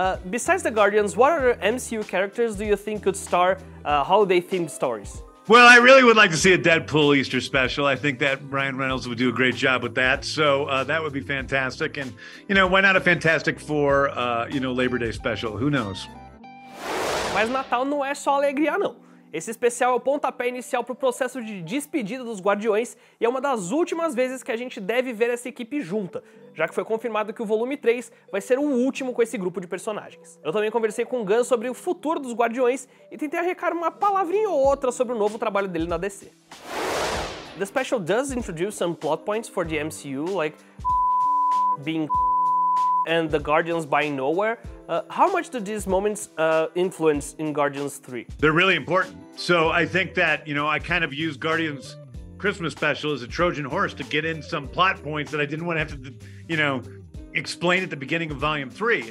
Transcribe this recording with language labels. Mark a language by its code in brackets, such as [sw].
[en] Besides the Guardians, what other MCU characters do you think could star holiday-themed stories? Well, I really would like to see a Deadpool Easter special. I think that Ryan Reynolds would do a great job with that. So that would be fantastic. And, you know, why not a Fantastic Four, Labor Day special? Who knows? [pt] Mas Natal não é só alegria, não. Esse especial é o pontapé inicial para o processo de despedida dos Guardiões e é uma das últimas vezes que a gente deve ver essa equipe junta, já que foi confirmado que o volume 3 vai ser o último com esse grupo de personagens. Eu também conversei com o Gunn sobre o futuro dos Guardiões e tentei arrecar uma palavrinha ou outra sobre o novo trabalho dele na DC. [en] The special does introduce some plot points for the MCU, like being and the Guardians buying nowhere. How much do these moments influence in Guardians 3? They're really important. So I think that, you know, I kind of use Guardians Christmas special as a Trojan horse to get in some plot points that I didn't want to have to, you know, explain at the beginning of Volume 3.